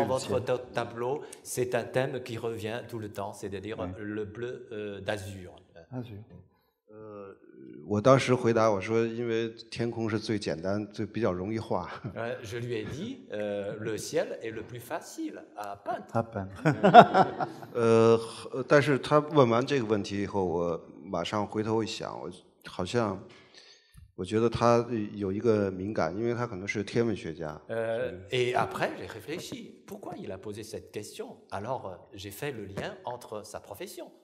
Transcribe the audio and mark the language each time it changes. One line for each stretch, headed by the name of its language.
French: dans votre tableau, c'est un thème qui revient tout le temps, c'est-à-dire le bleu d'azur. Azur.
Chinese: 我当时回答我说， 因为天空是最简单，最比较容易画。
French: Je lui ai dit, le ciel est le plus facile à peindre. À peindre.
Chinese: 但是他问完这个问题以后， 我马上回头一想， 好像， 我觉得他有一个敏感， 因为他可能是天文学家。
French: Et après, j'ai réfléchi, pourquoi il a posé cette question? Alors, j'ai fait le lien entre sa profession.